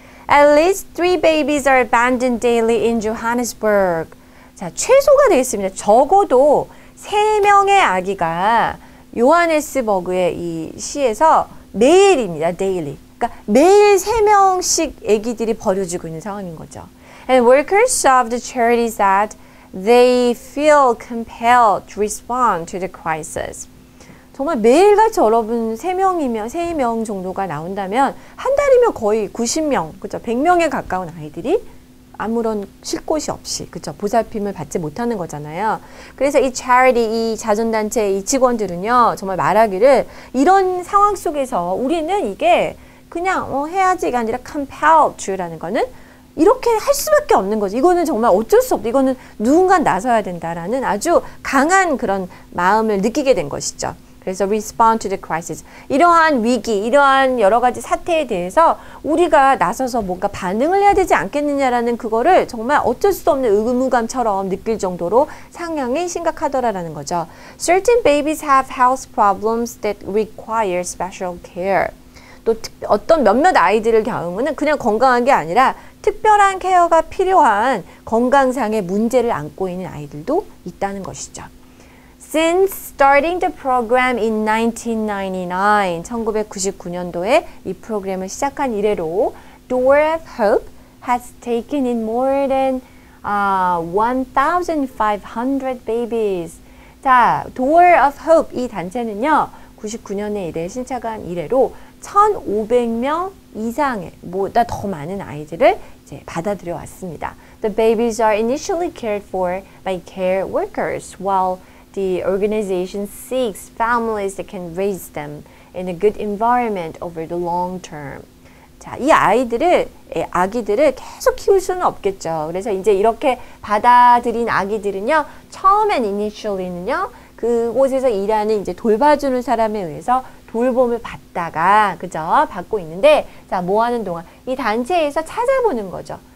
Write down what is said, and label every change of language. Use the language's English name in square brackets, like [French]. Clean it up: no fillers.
[English] At least three babies are abandoned daily in Johannesburg. [Korean] 자, 최소가 되겠습니다. 적어도 세 명의 아기가 요하네스버그의 이 시에서 매일입니다. [English] daily. [Korean] 그러니까 매일 세 명씩 아기들이 버려지고 있는 상황인 거죠. [English] And workers of the charity said they feel compelled to respond to the crisis. [Korean] 정말 매일같이 여러분 3명 정도가 나온다면 한 달이면 거의 90명, 그죠? 100명에 가까운 아이들이 아무런 쉴 곳이 없이, 그죠? 보살핌을 받지 못하는 거잖아요. 그래서 이 charity, 이 자선단체, 이 직원들은요, 정말 말하기를 이런 상황 속에서 우리는 이게 그냥 해야지가 아니라 compelled to라는 거는 이렇게 할 수밖에 없는 거죠. 이거는 정말 어쩔 수 없다. 이거는 누군가 나서야 된다라는 아주 강한 그런 마음을 느끼게 된 것이죠. 그래서 [English] respond to the crisis. [Korean] 이러한 위기, 이러한 여러 가지 사태에 대해서 우리가 나서서 뭔가 반응을 해야 되지 않겠느냐라는 그거를 정말 어쩔 수 없는 의무감처럼 느낄 정도로 상황이 심각하더라라는 거죠. [English] Certain babies have health problems that require special care. [Korean] 또 어떤 몇몇 아이들을 경우는 그냥 건강한 게 아니라 특별한 케어가 필요한 건강상의 문제를 안고 있는 아이들도 있다는 것이죠. [English] Since starting the program in 1999, [Korean] 1999년도에 이 프로그램을 시작한 이래로 [English] Door of Hope has taken in more than 1,500 babies. [Korean] 자, Door of Hope 이 단체는요, 99년에 이래 신착한 이래로 1,500명 이상의 보다 더 많은 아이들을 이제 받아들여 왔습니다. [English] The babies are initially cared for by care workers while the organization seeks families that can raise them in a good environment over the long term. [Korean] 자, 이 아이들을, 이 아기들을 계속 키울 수는 없겠죠. 그래서 이제 이렇게 받아들인 아기들은요, 처음엔 initially는요, 그곳에서 일하는 이제 돌봐주는 사람에 의해서 돌봄을 받다가, 그죠? 받고 있는데, 자, 뭐 하는 동안? 이 단체에서 찾아보는 거죠.